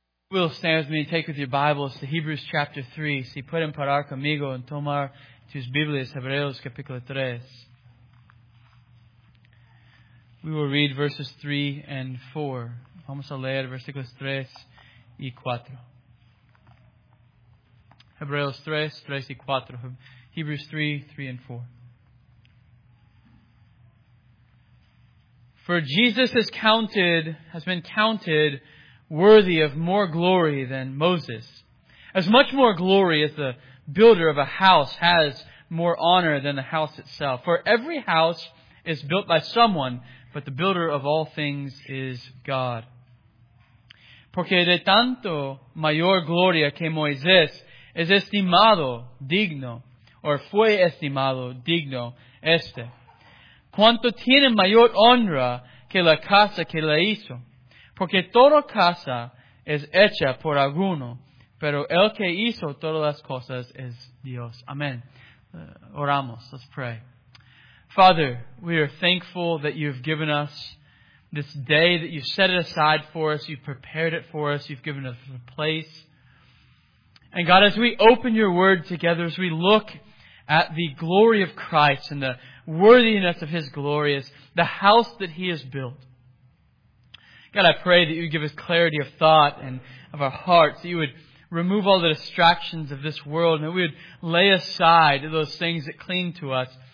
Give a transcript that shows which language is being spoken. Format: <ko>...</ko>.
<en>We'll stand with me and take with your Bibles to Hebrews chapter 3.</en> <es>Si pueden parar conmigo en tomar tus Biblias, Hebreos capítulo 3.</es> <en>We will read verses 3 and 4.</en> <es>Vamos a leer versículos 3 y 4. Hebreos 3, 3 y 4.</es> <en>Hebrews 3, 3 and 4. For Jesus has been counted worthy of more glory than Moses, as much more glory as the builder of a house has more honor than the house itself. For every house is built by someone, but the builder of all things is God.</en> <es>Porque de tanto mayor gloria que Moisés es estimado digno, o fue estimado digno este. Cuanto tiene mayor honra que la casa que la hizo. Porque toda casa es hecha por alguno, pero el que hizo todas las cosas es Dios. Amen. Oramos.</es> <en>Let's pray. Father, we are thankful that you've given us this day, that you set it aside for us, you've prepared it for us, you've given us a place. And God, as we open your word together, as we look at the glory of Christ and the worthiness of his glory, as the house that he has built, God, I pray that you give us clarity of thought and of our hearts, that you would remove all the distractions of this world, and that we would lay aside those things that cling to us</en>